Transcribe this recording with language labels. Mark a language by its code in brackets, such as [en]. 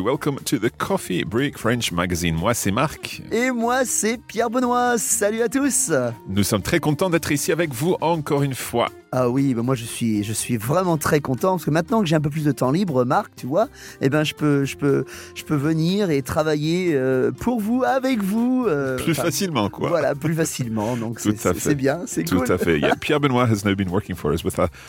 [en] Welcome to the Coffee Break French Magazine. [fr] Moi, c'est Marc. Et moi, c'est Pierre Benoît. Salut à tous. Nous sommes très contents d'être ici avec vous encore une fois. Ah oui, ben moi je suis vraiment très content parce que maintenant que j'ai un peu plus de temps libre, Marc, tu vois, eh ben je peux venir et travailler pour vous, avec vous. Plus facilement, quoi. Voilà, plus facilement. Donc c'est bien, c'est tout cool. Tout à fait. [en] Yeah. Pierre Benoît has now been working for us with us.